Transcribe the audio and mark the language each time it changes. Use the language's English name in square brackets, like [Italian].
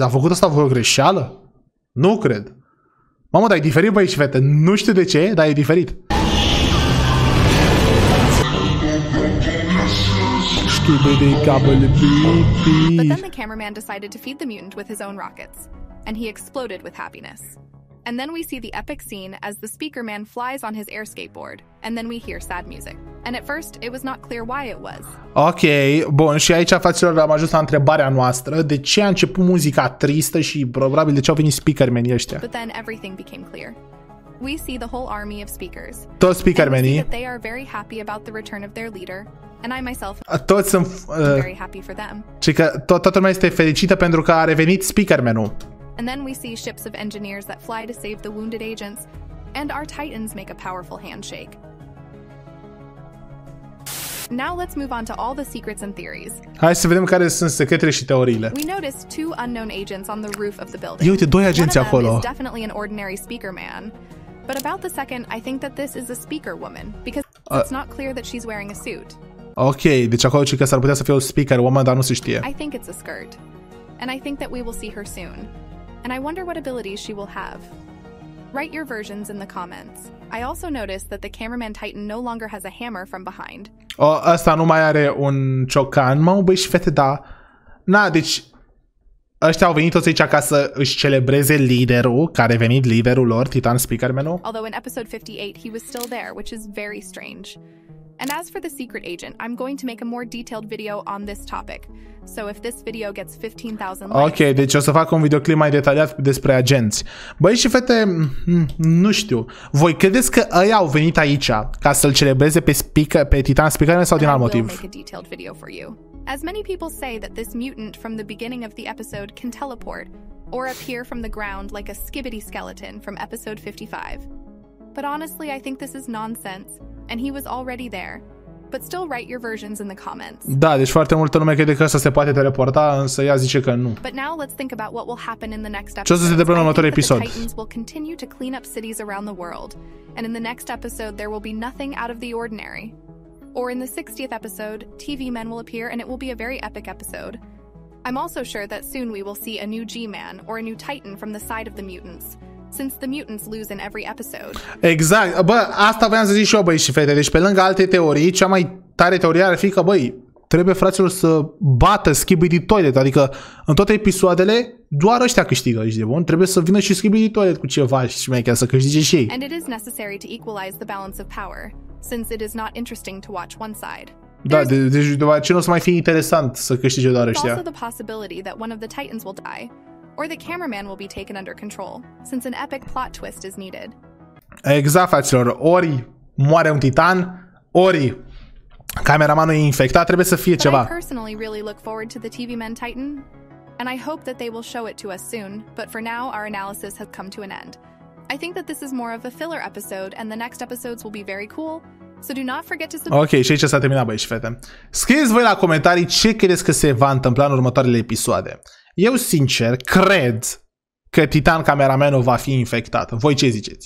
[Romanian] A făcut asta vreo greșeală? Nu cred. Mamă, dar e diferit, băi și fete. Nu știu de ce, dar e diferit. [English] But then the cameraman decided to feed the mutant with his own rockets, and he exploded with happiness. And then we see the epic scene as the speaker man flies on his air skateboard, and then we hear sad music. And at first, it was not clear why it was. [Romanian] Ok, bun, și aici, fraților, am ajuns la întrebarea noastră. De ce a început muzica tristă și probabil de ce au venit speakermenii ăștia? [English] But then everything became clear. We see the whole army of speakers. [Romanian] Toți speakermenii. [English] And they are very happy about the return of their leader. And I myself [Romanian] toți sunt [English] very happy for them. [Romanian] Și că toată lumea este fericită pentru că a revenit speakermenul. [English] And then we see ships of engineers that fly to save the wounded agents, and our titans make a powerful handshake. Now let's move on to all the secrets and theories. [Romanian] Hai să vedem care sunt secretele și teoriile. [English] We noticed two unknown agents on the roof of the building. [Romanian] Ia uite, doi agenți [English] One of them [Romanian] acolo. [English] Is definitely an ordinary speaker man. But about the second, I think that this is a speaker woman because it's not clear that she's wearing a suit. [Romanian] Ok, deci acolo știu că s-ar putea să fie o speaker woman, dar nu se știe. [English] I think it's a skirt. And I think that we will see her soon. And I wonder what abilities she will have. Write your versions in the comments. I also noticed that the cameraman Titan no longer has a hammer from behind. [Romanian] Oh, ăsta nu mai are un ciocan. Mă, băi și fete, da. Na, deci ăștia au venit toți aici ca să își celebreze liderul, care a venit liderul lor, Titan Speakermanul. [English] Although in episode 58 he was still there, which is very strange. And as for the secret agent, I'm going to make a more detailed video on this topic. So if this video gets 15,000 likes... [Romanian] Ok, deci o să fac un videoclip mai detaliat despre agenți. Băi și fete, nu știu. Voi credeți că ei au venit aici ca să-l celebreze pe speaker, pe Titan Speaker sau din alt motiv? [English] I will make a detailed video for you. As many people say that this mutant from the beginning of the episode can teleport or appear from the ground like a skibidi skeleton from episode 55. but honestly, I think this is nonsense. And he was already there. But still write your versions in the comments. [Romanian] Da, deci foarte multă lume crede că ăsta se poate teleporta, însă ea zice că nu. [English] But now let's think about what will happen in the next [Romanian] episode. Ce o să se întâmple în următorul episod? [English] The Titans will continue to clean up cities around the world. And in the next episode, there will be nothing out of the ordinary. Or in the 60th episode, TV men will appear and it will be a very epic episode. I'm also sure that soon we will see a new G-Man or a new Titan from the side of the mutants. Since the mutants lose in every episode. [Romanian] Exact. Bă, asta voiam să zic și eu, băi și fete. Deci pe lângă alte teorii, cea mai tare teorie ar fi că, băi, trebuie fraților să bată SKIBIDI Toilet. Adică în toate episoadele doar ăștia câștigă, ești de bun? Trebuie să vină și SKIBIDI Toilet cu ceva și mai chiar să câștige și ei. [English] And it is necessary to equalize the balance of power, since it is not interesting to watch one side. [Romanian] Da, deci după aceea nu o să mai fie interesant să câștige doar ăștia. [English] There's also the possibility that one of the Titans will die. Or the cameraman will be taken under control, since an epic plot twist is needed. [Romanian] Exact, fraților. Ori moare un titan, ori cameramanul e infectat, trebuie să fie [English] but [Romanian] ceva. [English] I personally really look forward to the TV Men Titan, and I hope that they will show it to us soon, but for now, our analysis has come to an end. I think that this is more of a filler episode, and the next episodes will be very cool, so do not forget to subscribe. [Romanian] Ok, și aici s-a terminat, băi și fete. Scrieți voi la comentarii ce credeți că se va întâmpla în următoarele episoade. Eu, sincer, cred că Titan cameramanul va fi infectat. Voi ce ziceți?